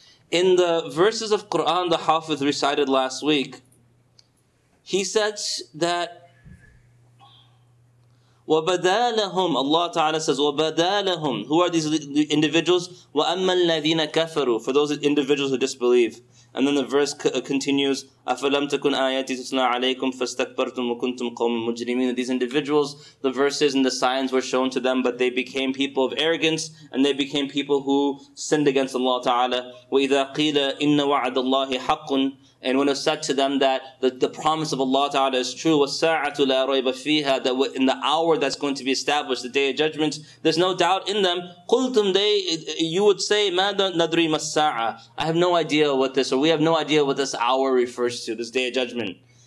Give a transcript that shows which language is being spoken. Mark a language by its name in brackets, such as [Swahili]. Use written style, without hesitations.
[English] In the verses of Quran the Hafiz recited last week, he said that, [Arabic] وَبَدَى لَهُمْ, [English] Allah Ta'ala says, وَبَدَى لَهُمْ, who are these individuals? [Arabic] وَأَمَّا الَّذِينَ كَفَرُوا, [English] for those individuals who disbelieve. And then the verse continues, [Arabic] أَفَلَمْ تَكُنْ آيَاتِ تُتْلَى عَلَيْكُمْ فَاسْتَكْبَرْتُمْ وَكُنْتُمْ قَوْمًا مُجْرِمِينَ. [English] These individuals, the verses and the signs were shown to them, but they became people of arrogance, and they became people who sinned against Allah Ta'ala. [Arabic] وَإِذَا قِيلَ إِنَّ وَعَدَ اللَّهِ حَقٌ, [English] and when it was said to them that the promise of Allah Ta'ala is true, [Arabic] وَالسَّاعَةُ لَا رَيْبَ فِيهَا, [English] that in the hour that's going to be established, the Day of Judgment, there's no doubt in them, [Arabic] قُلْتُمْ, [English] they, you would say, [Arabic] مَا نَدْرِي مَا السَّاعَةُ, [English] I have no idea what this, or we have no idea what this hour refers to, this Day of Judgment.